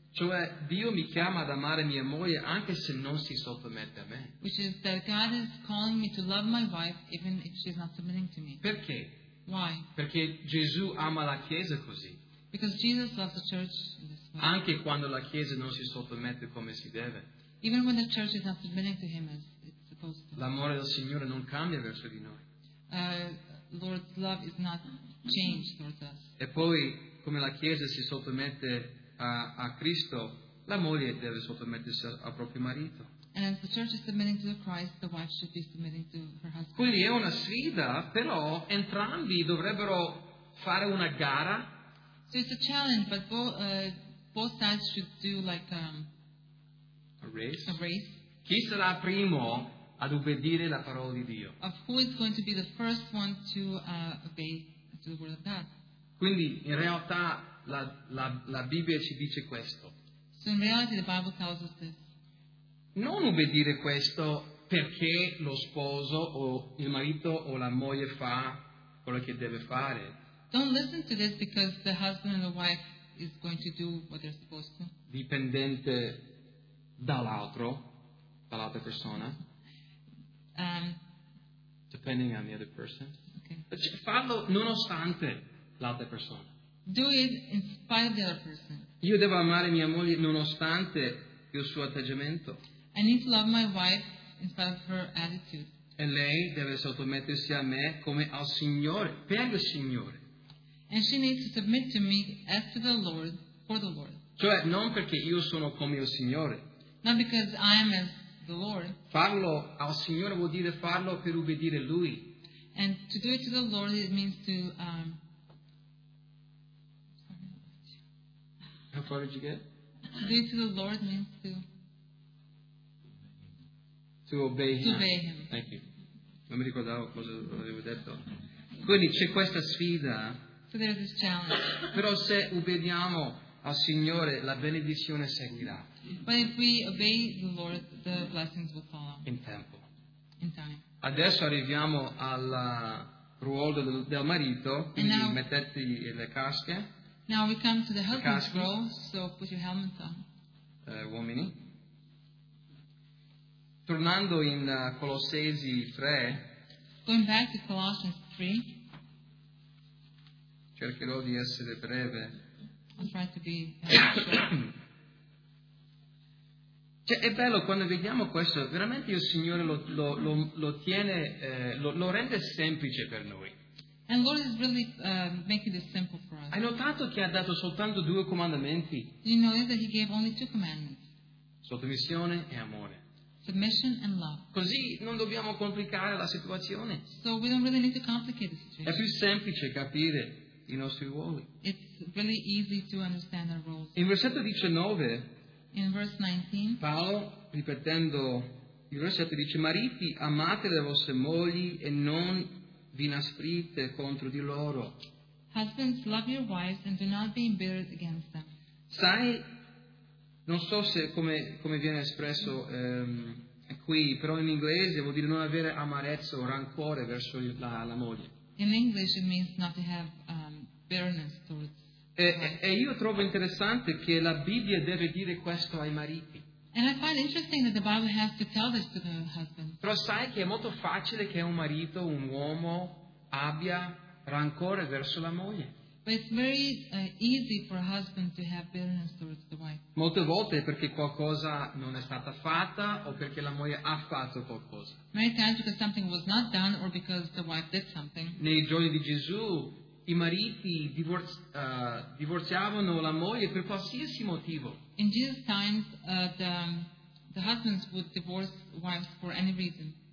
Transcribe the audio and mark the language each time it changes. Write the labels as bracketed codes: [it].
[it] Cioè, Dio mi chiama ad amare mia moglie anche se non si sottomette a me. [en] Which is that God is calling me to love my wife even if she's not submitting to me. [it] Perché? [en] Why? [it] Perché Gesù ama la Chiesa così. [en] Because Jesus loves the church in this way. [it] Anche quando la Chiesa non si sottomette come si deve. [en] Even when the church is not submitting to him as it's supposed to. [it] L'amore del Signore non cambia verso di noi. [en] Lord's love is not changed towards us. [it] E poi, come la Chiesa si sottomette a Cristo, la moglie deve sottomettersi al proprio marito. [en] And as the church is submitting to Christ, the wife should be submitting to her husband. [it] Quindi è una sfida, però entrambi dovrebbero fare una gara. [en] So it's a challenge, but both sides should do like a race. [it] Chi sarà primo ad obbedire la parola di Dio? [en] Of who is going to be the first one to obey to the word of God? [it] Quindi in realtà la Bibbia ci dice questo. [en] So in reality the Bible tells us this. [it] Non obbedire questo perché lo sposo o il marito o la moglie fa quello che deve fare. [en] Don't listen to this because the husband and the wife is going to do what they're supposed to. [it] Dipendente dall'altro, dall'altra persona. [en] Depending on the other person. Okay. [it] Fallo nonostante l'altra persona. [en] Do it in spite of the other person. [it] Io devo amare mia moglie nonostante il suo atteggiamento. [en] I need to love my wife in spite of her attitude. [it] E lei deve sottomettersi a me come al Signore, per il Signore. [en] And she needs to submit to me as to the Lord, for the Lord. [it] Cioè, non perché io sono come il Signore. [en] Not because I am as the Lord. [it] Farlo al Signore vuol dire farlo per ubbidire a Lui. [en] And to do it to the Lord, it means to... How far did you get? To do it to the Lord means to... To obey Him. To obey Him. Thank you. [it] Non mi ricordavo cosa avevo detto. Quindi c'è questa sfida. [en] So there's this challenge. [it] Però se ubbidiamo al Signore, la benedizione seguirà. [en] But if we obey the Lord, the blessings will follow. [it] In tempo. [en] In time. [it] Adesso arriviamo al ruolo del marito, quindi [en] now, [it] mettete le casche. [en] Now we come to the husband's role, so put your helmet on. [it] Uomini. Tornando in Colossesi 3. [en] Going back to Colossians 3. [it] Cercherò di essere breve. [en] I'll try to be [it] Cioè, è bello quando vediamo questo, veramente il Signore lo tiene, lo rende semplice per noi. [en] And Lord is really, making this simple for us. [it] Hai notato che ha dato soltanto due comandamenti? [en] You know that he gave only two commandments. [it] Sottomissione e amore. [en] Submission and love. [it] Così non dobbiamo complicare la situazione. [en] So we don't really need to complicate the situation. [it] È più semplice capire i nostri ruoli. [en] It's really easy to understand our roles. [it] In versetto 19, [en] in verse 19, [it] Paolo, ripetendo il versetto, dice: mariti, amate le vostre mogli e non vi inasprite contro di loro. [en] Husbands, love your wives and do not be embittered against them. [it] Sai, non so se come viene espresso qui, però in inglese vuol dire non avere amarezza o rancore verso la moglie. [en] In English it means not to have bitterness towards. [it] E io trovo interessante che la Bibbia deve dire questo ai mariti. [en] And I find interesting that the Bible has to tell this to the husband. [it] Però sai che è molto facile che un marito, un uomo, abbia rancore verso la moglie. [en] But it's very easy for a husband to have bitterness towards the wife. [it] Molte volte è perché qualcosa non è stata fatta o perché la moglie ha fatto qualcosa. [en] Many times because something was not done or because the wife did something. [it] Nei giorni di Gesù i mariti divorziavano la moglie per qualsiasi motivo. [en] In Jesus' times, the husbands would divorce wives for any reason.